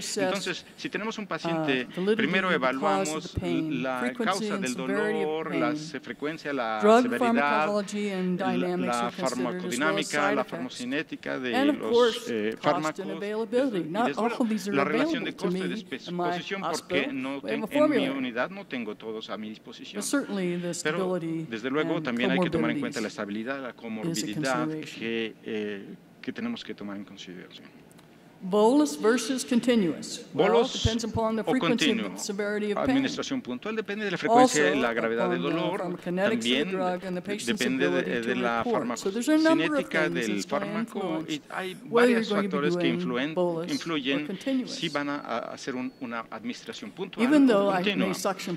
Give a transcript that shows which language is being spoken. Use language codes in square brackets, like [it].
[es] Entonces, si tenemos un paciente, primero evaluamos la causa del dolor, la frecuencia, la severidad, la farmacodinámica, la farmacocinética de los fármacos, la relación de coste de exposición, porque en mi unidad no tengo todos a mi disposición. Pero, desde luego, también hay que tomar en cuenta la estabilidad, la comorbilidad que tenemos que tomar en consideración. [en] Bolus versus continuous. Bolus depends upon the frequency and severity of pain. [es] Administración puntual depende de la frecuencia y la gravedad del dolor. También depende de la farmacocinética del fármaco. Hay varios factores que influyen si van a hacer una administración puntual o continua.